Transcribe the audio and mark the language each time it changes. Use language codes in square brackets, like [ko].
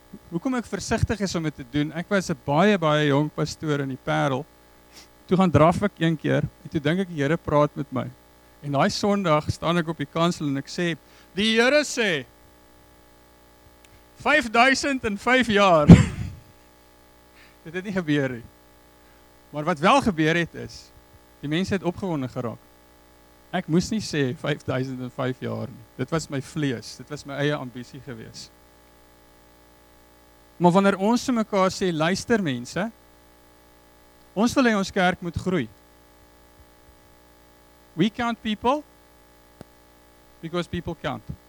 [af] Hoekom ek versigtig is om dit te doen, ek was 'n baie, baie jong pastoor in die Parel. Toe gaan draf ek een keer en toe dink ek die Here praat met my. En daai Sondag staan ek op die kansel en ek sê, die Here sê, 5000 in 5 jaar. Dit het nie gebeur nie. Maar wat wel gebeur het is, die mense het opgewonde geraak. Ek moes nie sê 5000 in 5 jaar nie. Dit was my vlees, dit was my eie ambisie gewees. Maar wanneer ons vir mekaar sê, luister mense, ons wil hê ons kerk moet groei. [en] We count people because people count.